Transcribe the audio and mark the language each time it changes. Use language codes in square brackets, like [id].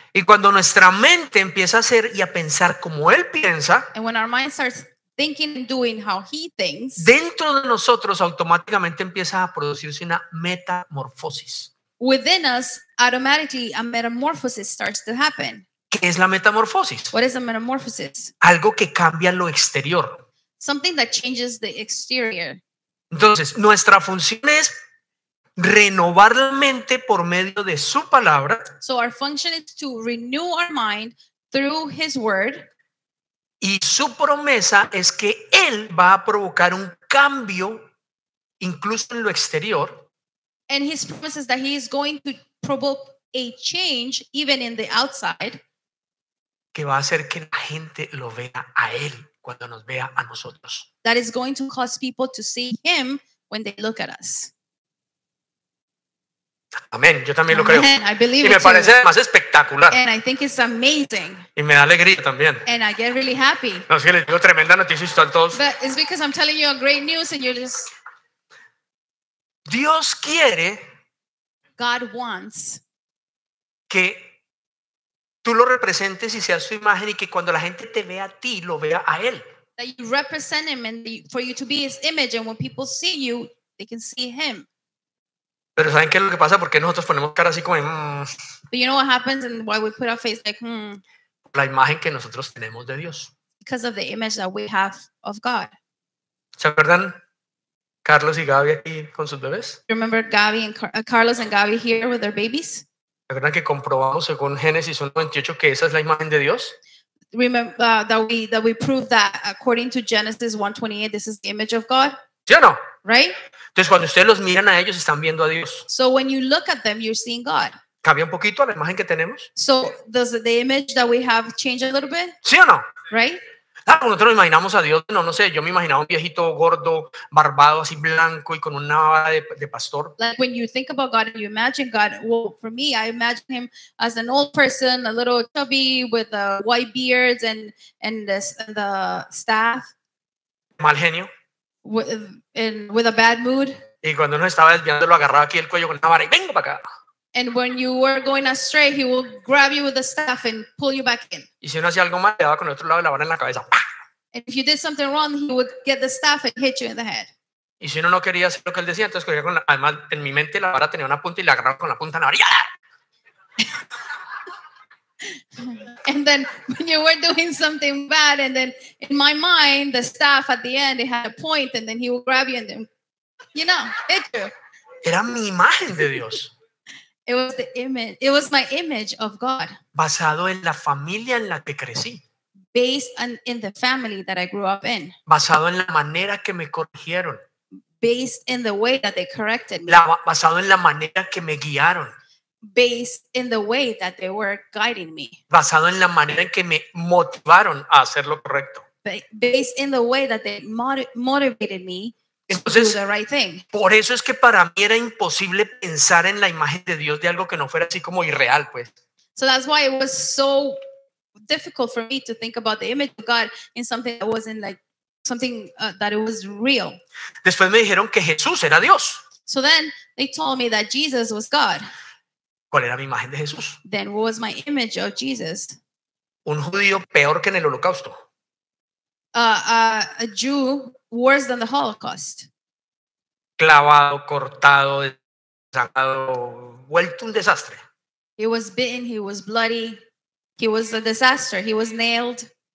[es] Y cuando nuestra mente empieza a ser y a pensar como él piensa. [en] And when our mind starts thinking and doing how he thinks. [es] Dentro de nosotros automáticamente empieza a producirse una metamorfosis. [en] Within us, automatically a metamorphosis starts to happen. [es] ¿Qué es la metamorfosis? [en] What is a metamorphosis? [es] Algo que cambia lo exterior. [en] Something that changes the exterior. [es] Entonces, nuestra función es renovar la mente por medio de su palabra. [en] So our function is to renew our mind through his word. [es] Y su promesa es que él va a provocar un cambio incluso en lo exterior. [en] And his promises that he is going to provoke a change even in the outside. [es] Que va a hacer que la gente lo vea a él cuando nos vea a nosotros. [en] That is going to cause people to see him when they look at us. [es] Amén, yo también lo creo. [en] I believe [es] y me parece más espectacular. [en] And I think it's amazing. [es] Y me da alegría también. [en] And I get really happy. [es] No, es que les digo tremenda noticia a todos. [en] But it's because I'm telling you a great news and you're just... [es] Dios quiere [en] God wants [es] que tú lo representes y seas su imagen y que cuando la gente te vea a ti, lo vea a él. [en] That you represent him and for you to be his image and when people see you, they can see him. [es] Pero ¿saben qué es lo que pasa? ¿Por qué nosotros ponemos cara así como en... [en] But you know what happens and why we put our face like, hmm? [es] La imagen que nosotros tenemos de Dios. [en] Because of the image that we have of God. [es] ¿Se acuerdan? Carlos y Gaby aquí con sus bebés. [en] Remember Gaby and Carlos and Gaby here with their babies? [es] ¿Se acuerdan que comprobamos según Génesis 1:28 que esa es la imagen de Dios? [en] Remember that we proved that according to Genesis 1:28 this is the image of God? [es] ¿Sí o no? [en] Right? [es] Entonces cuando ustedes los miran a ellos están viendo a Dios. [en] So when you look at them you're seeing God. [es] ¿Cambia un poquito a la imagen que tenemos? [en] So does the image that we have change a little bit? [es] ¿Sí o no? [en] Right? [es] Claro, nosotros imaginamos a Dios, no sé, yo me imaginaba un viejito gordo, barbado así blanco y con una vara de pastor. [en] Like when you think about God and you imagine God, well for me I imagine him as an old person, a little chubby with a white beard and the staff. [es] Mal genio. [en] With a bad mood. [es] Y cuando uno estaba desviando, lo agarraba aquí el cuello con una vara y vengo para acá. [en] And when you were going astray, he will grab you with a staff and pull you back in. [es] Y si uno hacía algo mal, le daba con el otro lado la vara en la cabeza. ¡Pah! [en] And if you did something wrong, he would get the staff and hit you in the head. [es] Y si uno no quería hacer lo que él decía, entonces cogía con la, además en mi mente la vara tenía una punta y la agarraba con la punta en la vara. [en] And then when you were doing something bad and then in my mind the staff at the end it had a point and then he would grab you and then you know hit you. [es] Era mi imagen de Dios. [en] It was the image, it was my image of God [es] basado en la familia en la que crecí, [en] based on in the family that I grew up in, [es] basado en la manera que me corrigieron, [en] based in the way that they corrected me, [es] basado en la manera que me guiaron, [en] based in the way that they were guiding me, [es] basado en la manera en que me motivaron a hacer lo correcto, [en] based in the way that they motivated me. [es] Entonces, [en] to do the right thing. [es] Por eso es que para mí era imposible pensar en la imagen de Dios de algo que no fuera así como irreal, pues. [en] So that's why it was so difficult for me to think about the image of God in something that wasn't like something that it was real. [es] Después me dijeron que Jesús era Dios. [en] So then they told me that Jesus was God. [es] ¿Cuál era mi imagen de Jesús? [en] Then what was my image of Jesus? [es] Un judío peor que en el Holocausto. [en] A Jew worse than the Holocaust. [es] Clavado, cortado, desangrado, vuelto un desastre. [en] He was bitten, he was bloody, he was a disaster, he was nailed.